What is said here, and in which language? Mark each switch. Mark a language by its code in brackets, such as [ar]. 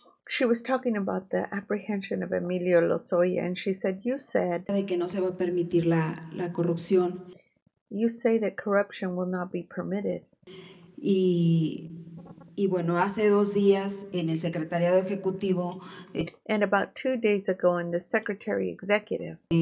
[en] She was talking about the apprehension of Emilio Lozoya, and she said, "You said [es] de que no se va a permitir la corrupción." [en] You say that corruption will not be permitted. [es] Y bueno, hace dos días en el Secretariado Ejecutivo. [en] And about two days ago in the Secretary Executive.